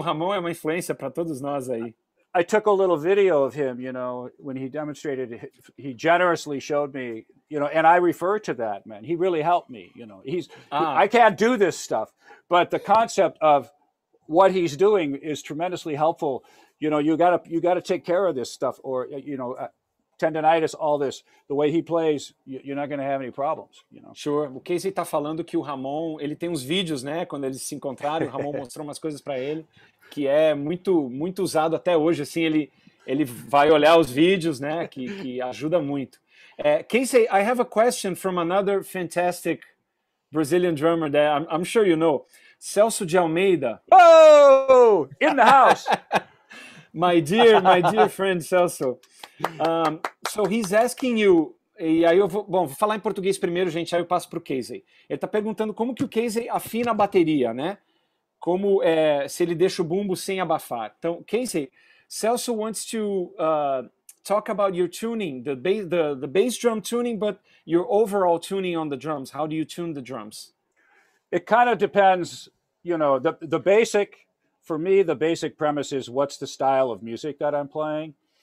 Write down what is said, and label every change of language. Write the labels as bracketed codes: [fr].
[pt] Ramon é uma influência para todos nós aí. [en] I took a little video of him, you know, when he demonstrated, he generously showed me, you know, and I refer to that, man. He really helped me, you know. I can't do this stuff, but the concept of what he's doing is tremendously helpful. You know, you got to take care of this stuff, or, you know, tendonitis, all this, the way he plays, you're not going to have any problems, you know. Sure. [pt] O Casey está falando que o Ramon, ele tem uns vídeos, né, quando eles se encontraram, o Ramon mostrou umas coisas para ele, que é muito, muito usado até hoje, assim, ele vai olhar os vídeos, né, que ajuda muito. [en] Casey, I have a question from another fantastic Brazilian drummer that I'm sure you know. Celso de Almeida. Oh, in the house. my dear friend Celso. So he's asking you, [pt] e aí eu vou, bom, vou falar em português primeiro, gente, aí eu passo pro Casey. Ele tá perguntando como que o Casey afina a bateria, né? Como se ele deixa o bumbo sem abafar. Então, [en] Casey, Celso wants to talk about your tuning, the bass drum tuning, but your overall tuning on the drums. How do you tune the drums? It kind of depends, you know, the basic, for me, the basic premise is what's the style of music that I'm playing.